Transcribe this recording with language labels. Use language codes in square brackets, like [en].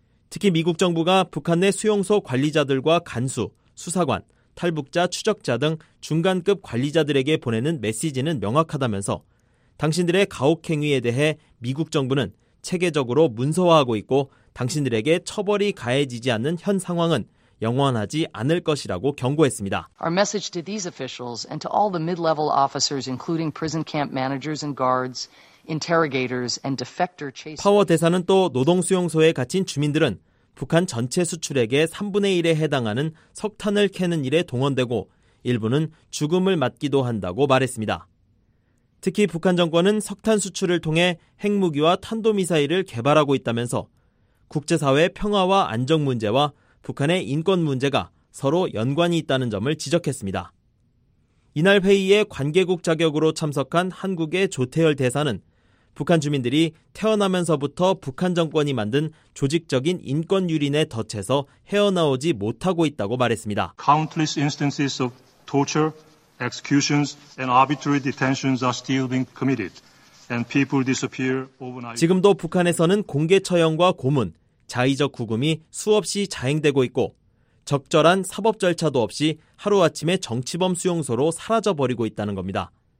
[ko] 특히 미국 정부가 북한 내 수용소 관리자들과 간수, 수사관, 탈북자, 추적자등 중간급 관리자들에게 보내는 메시지는 명확하다면서 당신들의 가혹 행위에 대해 미국 정부는 체계적으로 문서화하고 있고 당신들에게 처벌이 가해지지 않는 현 상황은 영원하지 않을 것이라고 경고했습니다. [en] Our message to these officials and to all the mid-level officers, including prison camp managers and guards, interrogators and defector chasers. [ko] 파워 대사는 또 노동수용소에 갇힌 주민들은 북한 전체 수출액의 3분의 1에 해당하는 석탄을 캐는 일에 동원되고 일부는 죽음을 맞기도 한다고 말했습니다. 특히 북한 정권은 석탄 수출을 통해 핵무기와 탄도미사일을 개발하고 있다면서 국제사회 평화와 안정 문제와 북한의 인권 문제가 서로 연관이 있다는 점을 지적했습니다. 이날 회의에 관계국 자격으로 참석한 한국의 조태열 대사는 북한 주민들이 태어나면서부터 북한 정권이 만든 조직적인 인권 유린에 덫에서 헤어나오지 못하고 있다고 말했습니다. [en] Countless instances of torture, executions and arbitrary detentions are still being committed and people disappear overnight. [ko] 지금도 북한에서는 공개 처형과 고문,자의적구금이수없이자행되고있고적절한사법절차도없이하루아침에정치범수용소로사라져버리고있다는겁니다.